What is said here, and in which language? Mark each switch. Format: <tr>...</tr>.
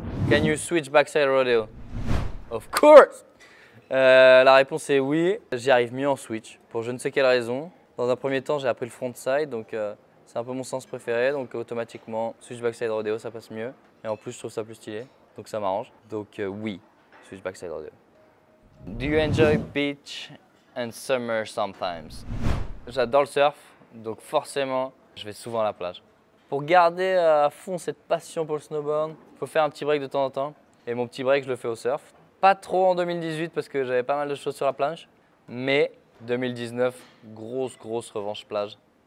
<en>Can you switch backside rodeo? Of course!</en> <fr>La réponse est oui, j'y arrive mieux en switch, pour je ne sais quelle raison. Dans un premier temps, j'ai appris le frontside, donc c'est un peu mon sens préféré, donc automatiquement, switch backside rodeo, ça passe mieux. Et en plus, je trouve ça plus stylé, donc ça m'arrange. Donc oui, switch backside rodeo.</fr> <en>Do you enjoy beach and summer sometimes?</en> <fr>J'adore le surf, donc forcément, je vais souvent à la plage. Pour garder à fond cette passion pour le snowboard, il faut faire un petit break de temps en temps. Et mon petit break, je le fais au surf. Pas trop en 2018 parce que j'avais pas mal de choses sur la planche, mais 2019, grosse revanche plage.</fr>